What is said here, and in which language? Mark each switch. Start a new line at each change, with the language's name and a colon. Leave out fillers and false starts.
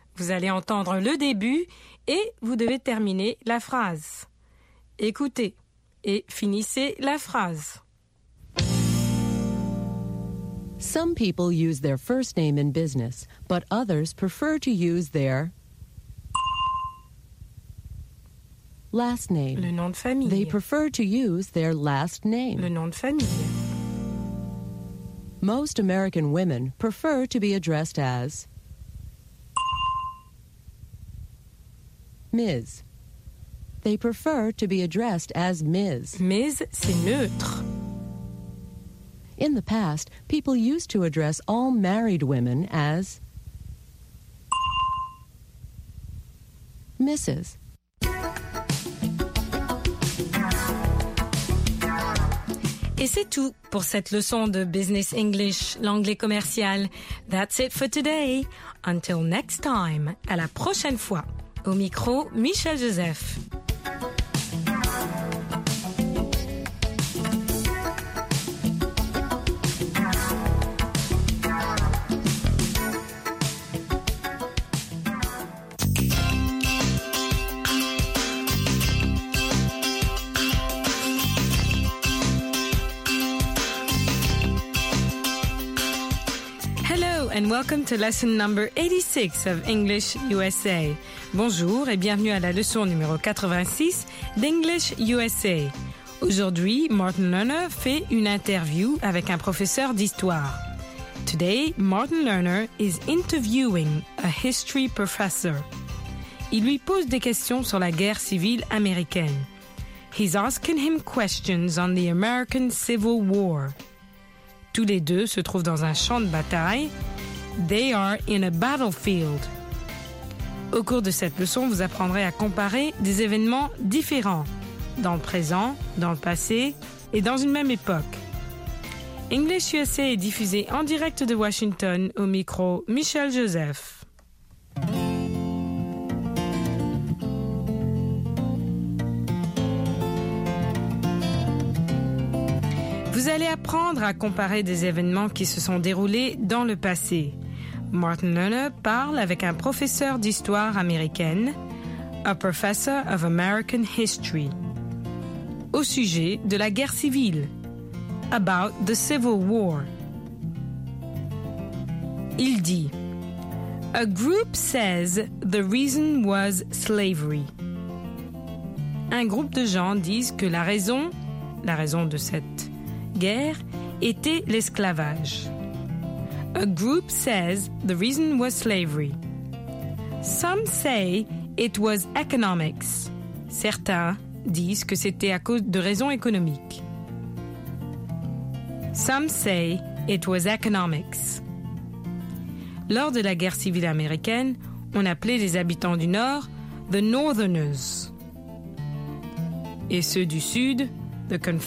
French: Vous allez entendre le début et vous devez terminer la phrase. Écoutez et finissez la phrase.
English: Some people use their first name in business, but others prefer to use their last name.
French: Le nom de famille.
English: They prefer to use their last name.
French: Le nom de famille.
English: Most American women prefer to be addressed as Ms. They prefer to be addressed as Ms.
French: Ms, c'est neutre.
English: In the past, people used to address all married women as Mrs.
French: Et c'est tout pour cette leçon de Business English, l'anglais commercial.
English: That's it for today. Until next time,
French: à la prochaine fois. Au micro, Michel Joseph.
English: And welcome to lesson number 86 of English USA.
French: Bonjour et bienvenue à la leçon numéro 86 d'English USA. Aujourd'hui, Martin Lerner fait une interview avec un professeur d'histoire.
English: Today, Martin Lerner is interviewing a history professor.
French: Il lui pose des questions sur la guerre civile américaine.
English: He's asking him questions on the American Civil War.
French: Tous les deux se trouvent dans un champ de bataille.
English: They are in a battlefield.
French: Au cours de cette leçon, vous apprendrez à comparer des événements différents, dans le présent, dans le passé et dans une même époque. English USA est diffusé en direct de Washington au micro Michel Joseph. Vous allez apprendre à comparer des événements qui se sont déroulés dans le passé. Martin Lerner parle avec un professeur d'histoire américaine,
English: a professor of American history,
French: au sujet de la guerre civile,
English: about the Civil War.
French: Il dit,
English: a group says the reason was slavery.
French: Un groupe de gens disent que la raison de cette guerre était l'esclavage.
English: A group says the reason was slavery. Some say it was economics.
French: Certains disent que c'était à cause de raisons économiques.
English: Some say it was economics.
French: Lors de la guerre civile américaine, on appelait les habitants du Nord
English: the Northerners.
French: Et ceux du Sud,
English: the Confederates.